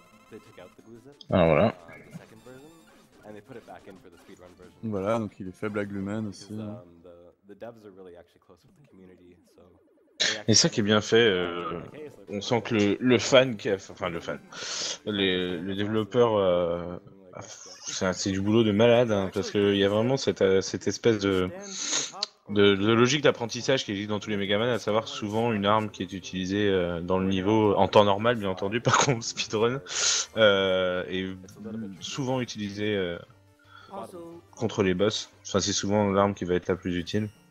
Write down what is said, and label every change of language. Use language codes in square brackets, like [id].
[en] They took out the glue zip. [fr] Ah, voilà. [en] The second version. And they put it back in for the speedrun version. [fr] Voilà, donc il est faible à glue-man aussi. [en] The devs are really actually close with the community, so. [fr] Et ça qui est bien fait, on sent que le fan, qui a, enfin le fan, le développeur, c'est du boulot de malade, hein, parce qu'il y a vraiment cette espèce de logique d'apprentissage qui existe dans tous les Megaman, à savoir souvent une arme qui est utilisée dans le niveau, en temps normal bien entendu, par contre speedrun, est souvent utilisée contre les boss, enfin c'est souvent l'arme qui va être la plus utile.